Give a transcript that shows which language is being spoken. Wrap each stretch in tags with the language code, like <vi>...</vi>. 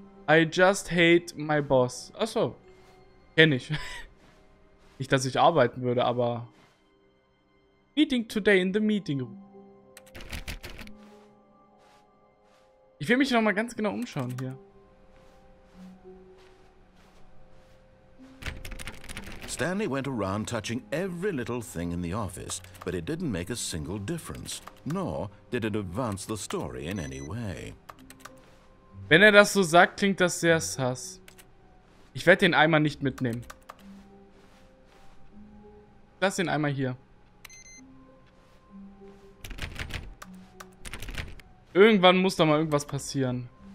<en>I just hate my boss.</en> <de>Achso, kenne ich. Nicht, dass ich arbeiten würde, aber...</de> <en>Meeting today in the meeting room.</en> <de>Ich will mich noch mal ganz genau umschauen hier.</de> <en>Stanley went around touching every little thing in the office, but it didn't make a single difference, nor did it advance the story in any way.</en> <de>Wenn er das so sagt, klingt das sehr sus. Ich werde den Eimer nicht mitnehmen. Lass den Eimer hier. Irgendwann muss da mal irgendwas passieren.</de>